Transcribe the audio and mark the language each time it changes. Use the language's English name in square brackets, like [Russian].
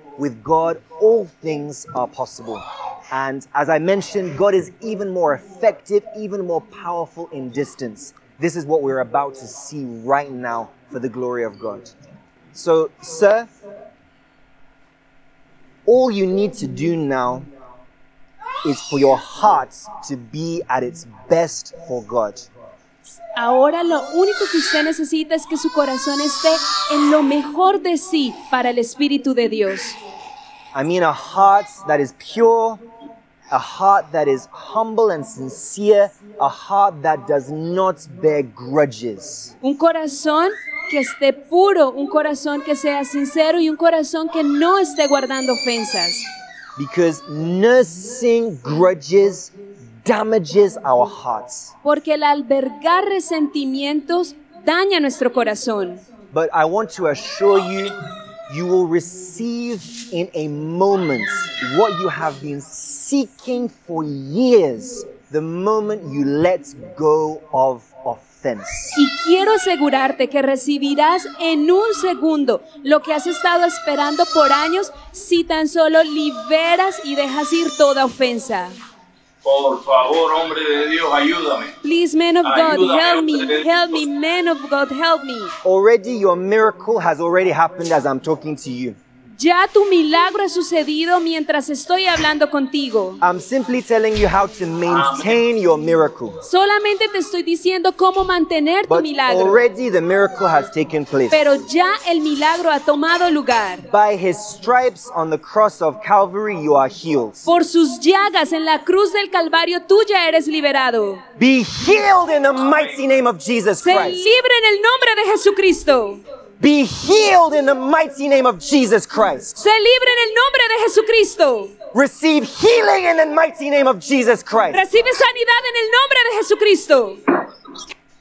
[English] With God, all things are possible. And as I mentioned, God is even more effective, even more powerful in distance. This is what we're about to see right now for the glory of God. So, sir, all you need to do now is for your heart to be at its best for God. [Spanish] Ahora lo único que usted necesita es que su corazón esté en lo mejor de sí para el Espíritu de Dios. [English] I mean a heart that is pure, a heart that is humble and sincere, a heart that does not bear grudges. [Spanish] Un corazón que esté puro, un corazón que sea sincero y un corazón que no esté guardando ofensas. [English] Because nursing grudges damages our hearts. [Spanish] Porque el albergar resentimientos daña nuestro corazón. [English] But I want to assure you, you will receive in a moment what you have been seeking for years, the moment you let go of offense. [Spanish] Y quiero asegurarte que recibirás en un segundo lo que has estado esperando por años si tan solo liberas y dejas ir toda ofensa. Por favor, hombre de Dios, ayúdame. [English] Please, man of God, [Spanish] ayúdame, [English] help me. Help me, man of God, help me. Already your miracle has already happened as I'm talking to you. [Spanish] Ya tu milagro ha sucedido mientras estoy hablando contigo. [English] I'm simply telling you how to maintain your miracle. [Spanish] Solamente te estoy diciendo cómo mantener tu milagro. [English] But already the miracle has taken place. [Spanish] Pero ya el milagro ha tomado lugar. [English] By his stripes on the cross of Calvary, you are healed. [Spanish] Por sus llagas en la cruz del Calvario, tú ya eres liberado. [English] Be healed in the mighty name of Jesus Christ. [Spanish] Sé libre en el nombre de Jesucristo. [English] Be healed in the mighty name of Jesus Christ. [Spanish] Se libre en el nombre de Jesucristo. [English] Receive healing in the mighty name of Jesus Christ. [Spanish] Recibe sanidad en el nombre de Jesucristo.